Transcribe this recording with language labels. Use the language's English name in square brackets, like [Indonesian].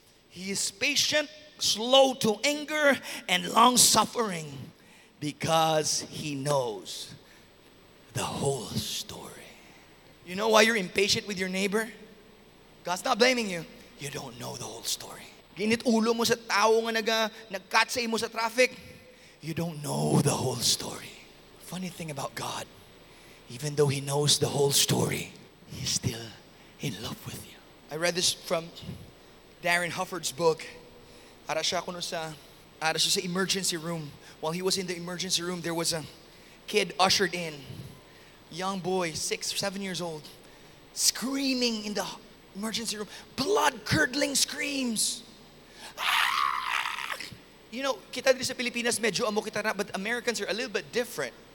[English] He is patient, slow to anger, and long-suffering because he knows the whole story. You know why you're impatient with your neighbor? God's not blaming you. You don't know the whole story. [Hiligaynon] Ginit ulo mo sa tao nga nag-cut sa imo sa traffic. [English] You don't know the whole story. Funny thing about God, even though He knows the whole story, He's still in love with you. I read this from Darren Hufford's book. [Hiligaynon] Ara siya sa emergency room. [English] While he was in the emergency room, there was a kid ushered in. Young boy, 6 or 7 years old, screaming in the emergency room. Blood-curdling screams. You know, [Hiligaynon] kita din sa Pilipinas medyo amo kita na, [English] but Americans are a little bit different.